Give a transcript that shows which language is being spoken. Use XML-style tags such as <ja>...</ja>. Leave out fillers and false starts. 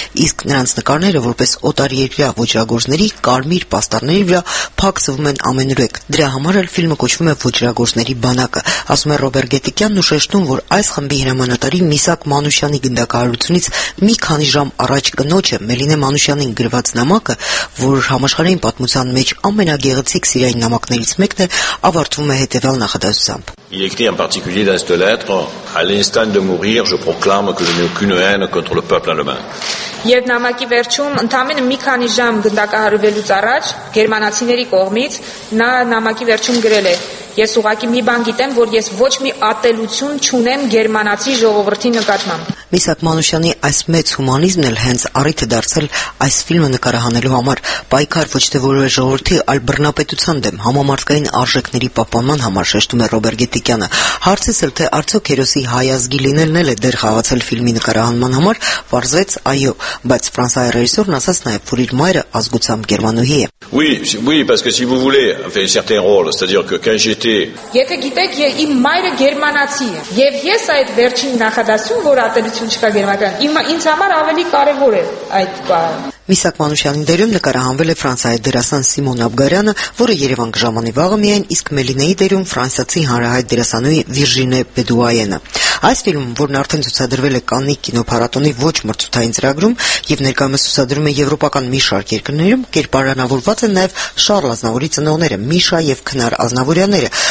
<hy>իսկ նրանց նկարները որպես օտարերկրյա ոչրագործների կարմիր պաստառների վրա փակցվում են ամենուրեք։ Դրա համար էլ ֆիլմը կոչվում է «Ոչրագործների բանակը», ասում է Ռոբեր Գեդիկյանն ու շեշտում, որ այս խմբի հրամանատարի Միսակ Մանուշյանի գնդակահարությունից մի քանի ժամ առաջ կնոջը Մելինե Մանուշյանին գրված նամակը, որ համաշխարհային պատմության մեջ ամենագեղեցիկ սիրային նամակներից մեկն է, ավարտվում է հետևյալ նախադասությամբ.</hy> <fr>Il écrit en particulier dans cette lettre « À l'instant de mourir, je proclame que je n'ai aucune haine contre le peuple allemand. »</fr> <hy>Եվ նամակի վերջում, ընդամենը մի քանի ժամ գնդակահարվելուց առաջ, գերմանացիների կողմից, նա նամակի վերջում գրել է. «Ես ուղղակի մի բան գիտեմ, որ ես ոչ մի ատելություն չունեմ գերմանացի ժողովրդի նկատմամբ»։ Միսակ Մանուշյանի այս մեծ հումանիզմն էլ հենց առիթ է դարձել այս ֆիլմը նկարահանելու համար։ Պայքար ոչ թե որևէ ժողովրդի, այլ բռնապետության դեմ, համամարտկային արժեքների պահպանման համար, շեշտում է Ռոբեր Գեդիկյանը։ Հարցս էլ, թե արդյոք հերոսի հայազգի լինելն էլ է դեր խաղացել ֆիլմի նկարահանման համար, պարզվեց այո, բայց ֆրանսայ ռեժիսորն ասաց նաև, որ իր մայրը ազգությամբ գերմանուհի է։</hy> <fr>Oui, parce que si vous voulez, enfin certain rôle, c'est-à-dire que quand j'étais</fr> <hy>Եթե գիտեք, իմ մայրը գերմանացի է, եւ ես այդ վերջին նախադասում, որ ատելություն չկա գերմանական, ինձ համար ավելի կարևոր է այդ բանը։ Միսակ Մանուշյանի դերում նկարահանվել է ֆրանսայի դերասան Սիմոն Աբգարյանը, որը Երևան կժամանի վաղը միայն, իսկ Մելինեի դերում ֆրանսացի հանրահայտ դերասանուհի Վիրժինե Բեդուայենը։ Այս ֆիլմը, որն արդեն ցուցադրվել է Կաննի կինոփառատոնի ոչ մրցութային ծրագրում և ներկայումս ցուցադրվում է եվրոպական մի շարք երկրներում, կերպարանավորված են նաև Շառլ Ազնավուրի ծնողները՝ Միշա և Քնար Ազնավուրյանները,</hy>